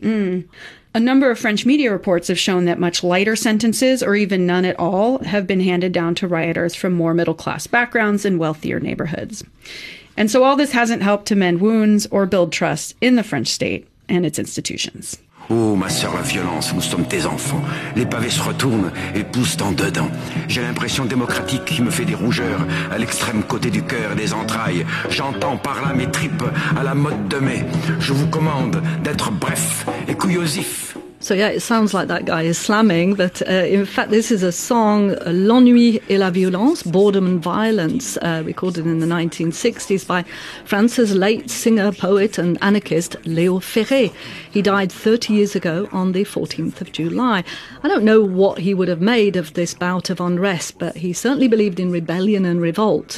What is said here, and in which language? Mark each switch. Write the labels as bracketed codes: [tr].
[en] Mm. A number of French media reports have shown that much lighter sentences, or even none at all, have been handed down to rioters from more middle-class backgrounds and wealthier neighborhoods. And so all this hasn't helped to mend wounds or build trust in the French state and its institutions. [fr] Oh, ma sœur, la violence, nous sommes tes enfants. Les pavés se retournent et poussent en dedans. J'ai l'impression démocratique qui me fait des rougeurs à l'extrême côté du cœur et des entrailles. J'entends par là mes tripes à la mode de mai. Je vous commande d'être bref et couillosif. [en] So yeah, it sounds like that guy is slamming, but in fact, this is a song, L'ennui et la violence, boredom and violence, recorded in the 1960s by France's late singer, poet and anarchist Léo Ferré. He died 30 years ago on the 14th of July. I don't know what he would have made of this bout of unrest, but he certainly believed in rebellion and revolt.